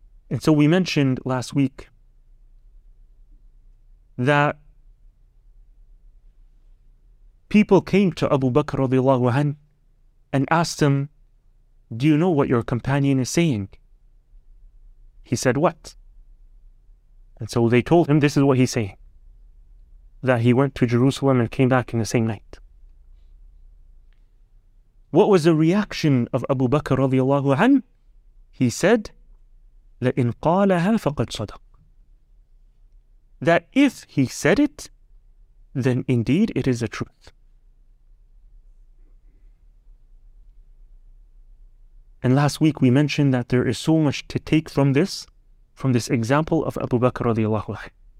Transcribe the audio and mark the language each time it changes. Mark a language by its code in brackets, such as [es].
[en] And so we mentioned last week that people came to Abu Bakr radiallahu anhu and asked him, "Do you know what your companion is saying?" He said, "What?" And so they told him, "This is what he's saying, that he went to Jerusalem and came back in the same night." What was the reaction of Abu Bakr radiallahu anhu? He said, [ar] "لَإِنْ قَالَهَا فَقَدْ صَدَقْ." [en] That if he said it, then indeed it is the truth. And last week we mentioned that there is so much to take from this example of Abu Bakr radiallahu anhu.